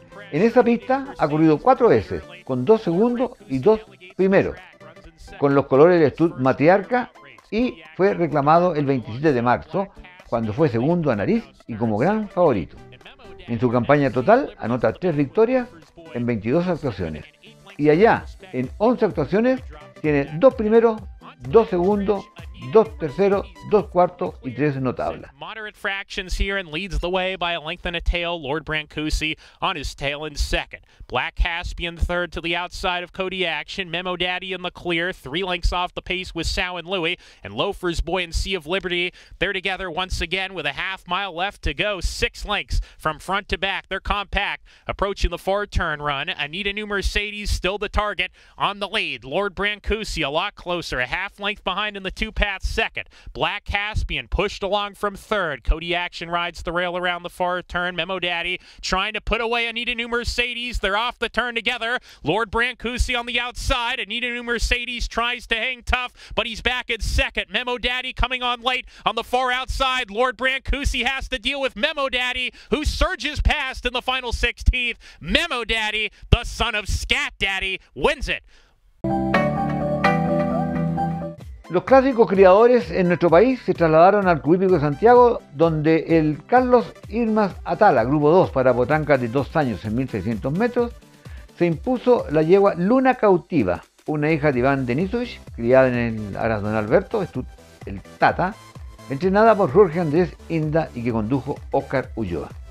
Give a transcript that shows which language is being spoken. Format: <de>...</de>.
<es>En esa pista ha corrido 4 veces, con 2 segundos y 2 primeros, con los colores de Stud Matriarca, y fue reclamado el 27 de marzo, cuando fue segundo a Nariz y como gran favorito. En su campaña total anota 3 victorias en 22 actuaciones. Y allá, en 11 actuaciones, tiene 2 primeros, 2 segundos, 2 terceros, 2 cuartos y 3 no tabla.</es> <en>Moderate fractions here and leads the way by a length and a tail. Lord Brancusi on his tail in second. Black Caspian third to the outside of Cody Action. Memo Daddy in the clear. 3 lengths off the pace with Sow and Louie. And Loafer's Boy and Sea of Liberty. They're together once again with a half mile left to go. 6 lengths from front to back. They're compact. Approaching the far turn run. Anita New Mercedes still the target on the lead. Lord Brancusi a lot closer. A half length behind in the 2 path second. Black Caspian pushed along from third. Cody Action rides the rail around the far turn. Memo Daddy trying to put away Anita New Mercedes. They're off the turn together. Lord Brancusi on the outside. Anita New Mercedes tries to hang tough, but he's back in second. Memo Daddy coming on late on the far outside. Lord Brancusi has to deal with Memo Daddy, who surges past in the final 16th. Memo Daddy, the son of Scat Daddy, wins it.</en> <es>Los clásicos criadores en nuestro país se trasladaron al Club Hípico de Santiago, donde el Carlos Irmas Atala, grupo 2 para potranca de 2 años en 1600 metros, se impuso la yegua Luna Cautiva, una hija de Iván Denisovich, criada en el Aras Don Alberto, el Tata, entrenada por Jorge Andrés Inda y que condujo Oscar Ulloa.</es>